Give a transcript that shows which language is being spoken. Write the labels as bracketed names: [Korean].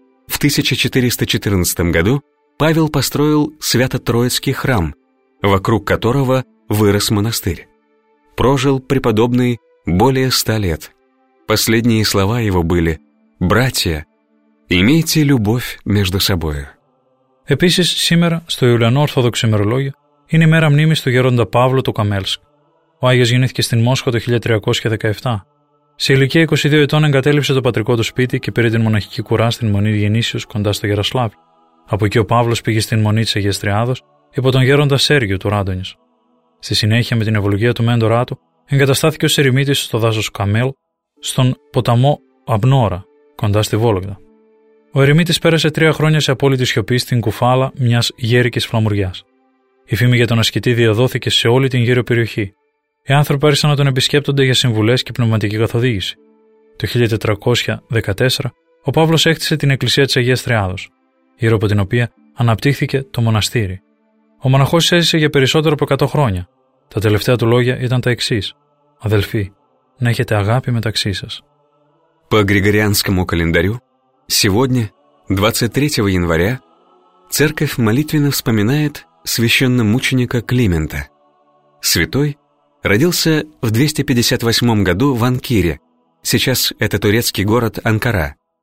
[Russian] В 1414 году Павел построил Свято-Троицкий храм, вокруг которого вырос монастырь. Прожил преподобный более 100 лет. Последние слова его были: «Братья, имейте любовь между собою». [Greek] Επίσης, [Russian] сегодня, [Greek] στο Юлиано Ορθόδοξο ημερολόγιο, είναι ημέρα μνήμης του γέροντα Παύλου του Καμέλσκ. Ο Άγιος γεννήθηκε στην Μόσχα το 1317. Σε ηλικία 22 ετών εγκατέλειψε το πατρικό του σπίτι και πήρε την μοναχική κουρά στην Μονή Διενήσιος κοντά στο Γερασλάβι. Από εκεί ο Παύλος πήγε στην Μονή της Αγίας Τριάδος υπό τον γέροντα Σέργιο του Ράντονης. Στη συνέχεια, με την ευλογία του μέντορά του, εγκαταστάθηκε ως ερημίτης στο δάσος Καμέλ, στον ποταμό Αμπνόρα, κοντά στη Βόλογδα. Ο ερημίτης πέρασε 3 χρόνια σε απόλυτη σιωπή στην κουφάλα μιας γέρικης φλαμουριάς. Η φήμη για τον ασκητή διαδόθηκε σε όλη την γύρω περιοχή. Οι άνθρωποι άρχισαν να τον επισκέπτονται για συμβουλές και πνευματική καθοδήγηση. Το 1414, ο Παύλος έκτισε την Εκκλησία της Αγίας Τριάδος, γύρω από την οποία αναπτύχθηκε το μοναστήρι. Ο μοναχός έζησε για περισσότερο από 100 χρόνια. Τα τελευταία του λόγια ήταν τα εξής: «Αδελφοί, να έχετε αγάπη μεταξύ σας». [Russian] По Григорианскому календарю, сегодня, 23 января, церковь молитвенно вспоминает священномученика Климента. Святой родился в 258 году в Анкире, сейчас это турецкий город Анкара.